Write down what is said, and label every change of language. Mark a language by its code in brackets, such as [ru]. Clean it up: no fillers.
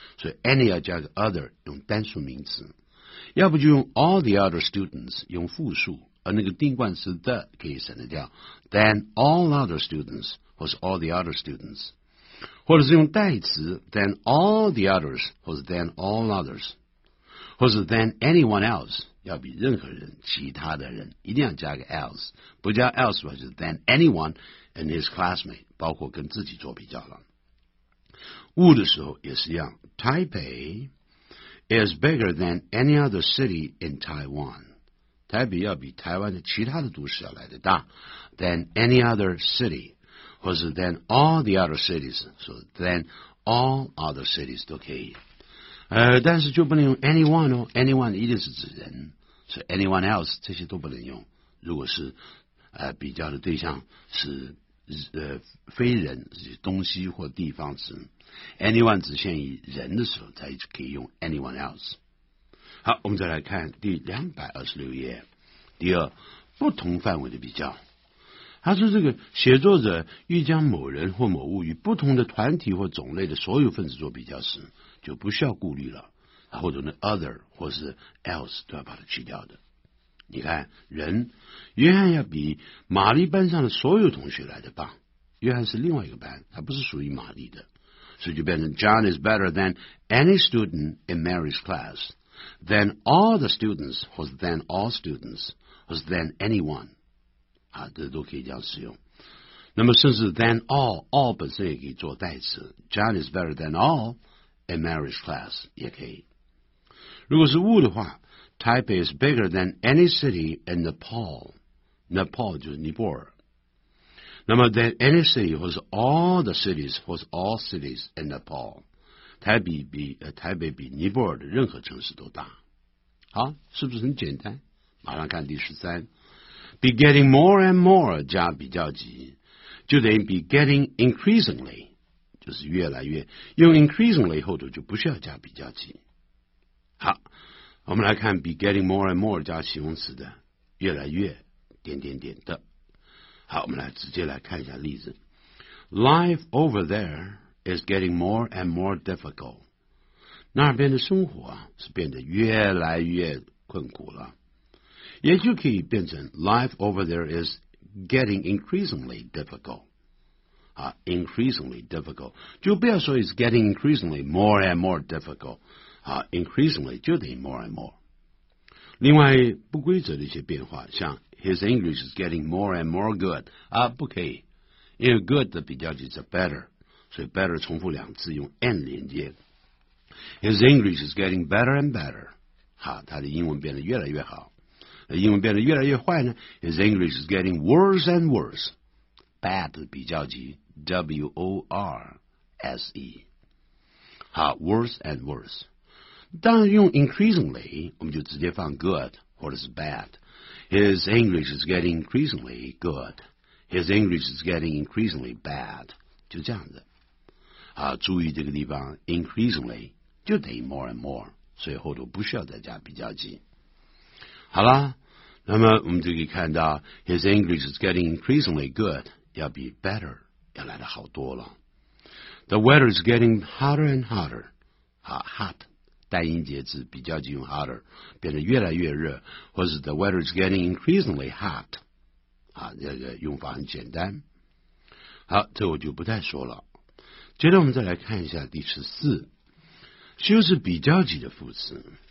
[zh] 所以 any 要加个 other， 用单数名词，要不就用 [en] all the other students， [zh] 用复数，而那个定冠词 the 可以省得掉， [en] than all other students [zh] 或是 all the other students， 或者是用代词 [en] than all the others [zh] 或是 than all others， 或是 than anyone else， 要比任何人、其他的人，一定要加个 else， 不加 else 就是 [en] than anyone and his classmate， [zh] 包括跟自己做比较了。物的时候也是一样， [en] Taipei is bigger than any other city in Taiwan， [zh] 台北要比台湾的其他的都市要来得大， [en] than any other city， 或是 than all the other cities， so than all other cities 都可以。 [zh] 但是就不能用 anyone 哦， anyone 一定是指人，所以 anyone else 这些都不能用。如果是比较的对象是非人，是东西或地方词， anyone 只限于人的时候才可以用 anyone else。好，我们再来看第226页。第二，不同范围的比较。他说这个写作者欲将某人或某物与不同的团体或种类的所有分子做比较时，就不需要顾虑了，或者那 other 或是 else 都要把它去掉的。你看，人，约翰要比玛丽班上的所有同学来得棒，约翰是另外一个班，他不是属于玛丽的，所以就变成 [en] John is better than any student in Mary's classthan all the students， [zh] 或是 than all students， 或是 than anyone， 啊，这都可以这样使用。那么甚至 [en] than all， all [zh] 本身也可以做代词， [en] John is better than all in Mary's class 也可以。如果是物的话， Taipei is bigger than any city in Nepal， Nepal 就是尼泊尔。 [zh] 那么 than any city 或是 all the cities 或是 [en] all cities in Nepal， [zh] 台北比尼泊尔的任何城市都大。好，是不是很简单？马上看第十三， be getting more and more 加比较级，就等于 be getting increasingly， 就是越来越，用 increasingly 后头就不需要加比较级。好，我们来看 be getting more and more 加形容词的越来越点点点的。好，我们来直接来看一下例子。 [en] life over thereis getting more and more difficult， [zh] 那边的生活是变得越来越困苦了，也就可以变成 [en] life over there is getting increasingly difficult， increasingly difficult， 就不要说 is getting increasingly more and more difficult， increasingly 就得 more and more。 [zh] 另外不规则的一些变化，像 [en] his English is getting more and more good， [zh] 不可以，因为 good 的比较级是 better，所以 better 重复两次，用 and 连接。 [en] His English is getting better and better， [zh] 他的英文变得越来越好。英文变得越来越坏呢， [en] His English is getting worse and worse， bat 比较级 worse。好 ，worse and worse。 [zh] 当然用 increasingly， 我们就直接放 good 或者是 bad。 [en] His English is getting increasingly good. His English is getting increasingly bad. [zh] 就这样子。啊，注意这个地方 increasingly 就等于 more and more， 所以后头不需要再加比较级。好啦，那么我们就可以看到 ， [en] his English is getting increasingly good， [zh] 要比 better 要来的好多了。 [en] The weather is getting hotter and hotter. 啊 ，hot [zh] 单音节字比较级用 [en] hotter [zh] 变得越来越热，或是 [en] the weather is getting increasingly hot。 [zh] 啊，这个用法很简单。好，这我就不再说了。接着我们再来看一下第十四，修饰比较级的副词。